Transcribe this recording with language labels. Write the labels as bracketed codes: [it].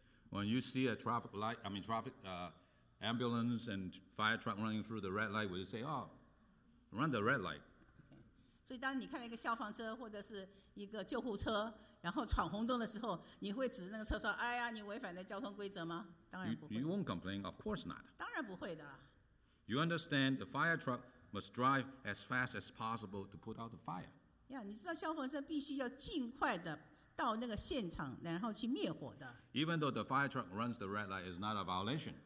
[en] When you see a traffic light, ambulance and fire truck running through the red light, would you say, "Oh, run the red light"? Okay. [zh] 所以当你看到一个消防车或者是一个救护车，然后闯红灯的时候，你会指着那个车说：“哎呀，你违反了交通规则吗？” 当然不会。 [en] You won't complain, of course not. [zh] 当然不会的。 [en] You understand the fire truck must drive as fast as possible to put out the fire. [zh] Yeah, 你知道消防车必须要尽快的到那个现场，然后去灭火的。 [en] Even though the fire truck runs the red light is not a violation.